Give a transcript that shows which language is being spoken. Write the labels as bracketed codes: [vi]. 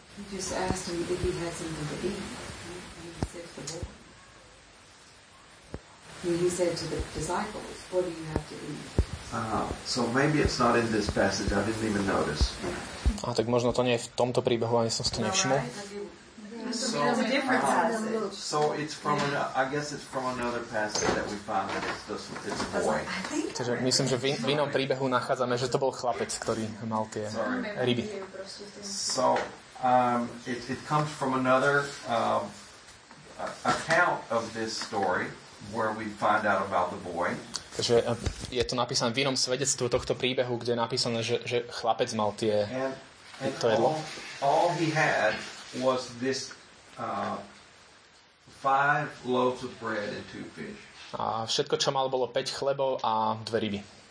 [en] He just asked him if he had something to eat. He said to the boy. He said to the disciples, what do you have to eat? So maybe it's not in this passage. I didn't even notice. [sk] A tak možno to nie je v tomto príbehu, ani som si to nevšimol. [en] So it's from I guess it's from another passage that we found that it's a boy. [sk] Takže myslím, že v inom príbehu nachádzame, že to bol chlapec, ktorý mal tie ryby. [en] So it comes from another account of this story where we find out about the boy. [sk] Takže je to napísané v inom svedectve tohto príbehu, kde je napísané, že chlapec mal tie to jedlo. [en] All he had was this five loaves of bread and two fish. [sk] A všetko, čo mal, bolo 5 chlebov a 2 ryby.